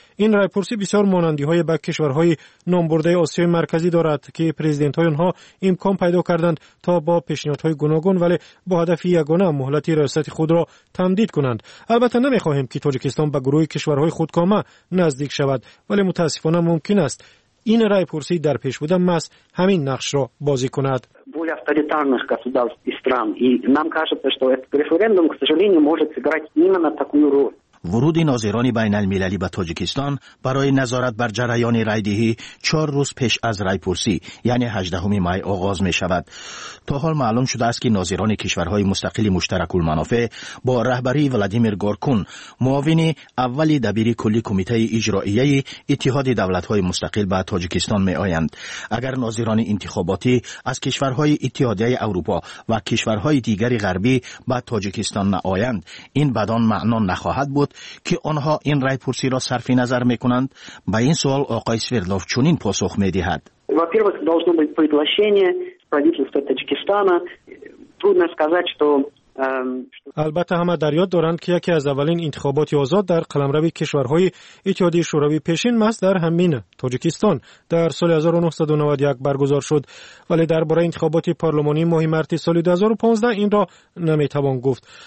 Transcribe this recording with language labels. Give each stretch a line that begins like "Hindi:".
Persian: این رای پرسی بسیار مانندی‌های به کشورهای نامبرده آسیای مرکزی دارد که پرزیدنت‌های آنها امکان پیدا کردند تا با پیشنهادهای گوناگون ولی با هدف یگانه مهلت ریاست خود را تمدید کنند. البته نمی‌خواهیم که تاجیکستان به گروه کشورهای خودکامه نزدیک شود، ولی متاسفانه ممکن است این رای پرسی در پیش بوده مس همین نقش را بازی کند.
Russian: более авторитарных государств и стран, и нам кажется, что этот референдум, к сожалению, может сыграть именно такую роль.
Persian: ورود ناظران بین المللی به تاجیکستان برای نظارت بر جریان رای‌دهی 4 روز پیش از رای‌پرسی یعنی 18 می آغاز می شود. تا حال معلوم شده است که ناظران کشورهای مستقل مشترک المنافع با رهبری ولادیمیر گورکون، معاون اول دبیر کلی کمیته اجرائیه اتحاد دولت‌های مستقل به تاجیکستان می آیند. اگر ناظران انتخاباتی از کشورهای اتحادیه اروپا و کشورهای دیگر غربی به تاجیکستان نآیند، این بدان معنا نخواهد بود که آنها این رای پرسی را صرف نظر می کنند. به این سوال آقای سویردلوف چنین پاسخ می دهد.
Russian: во-первых, должно быть приглашение правительства Таджикистана. Трудно сказать, что
Persian: البته همه در یاد دارند که یکی از اولین انتخابات آزاد در قلمرو کشورهای اتحادیه شوروی پیشین مس در همین تاجیکستان در سال 1991 برگزار شد، ولی درباره انتخابات پارلمانی ماه مارس سال 2015 این را نمیتوان گفت.